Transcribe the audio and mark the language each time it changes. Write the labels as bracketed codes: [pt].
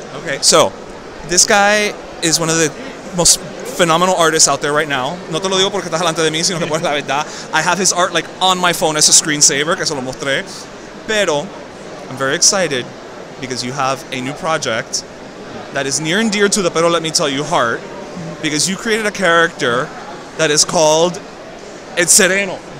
[en] Okay, so this guy is one of the most phenomenal artists out there right now. [es] No te lo digo porque estás delante de mí, sino que por la verdad. [en] I have his art like on my phone as a screensaver, [es] que se lo mostré. [en] Pero I'm very excited because you have a new project that is near and dear to the, pero let me tell you, heart. Because you created a character that is called El Sereno.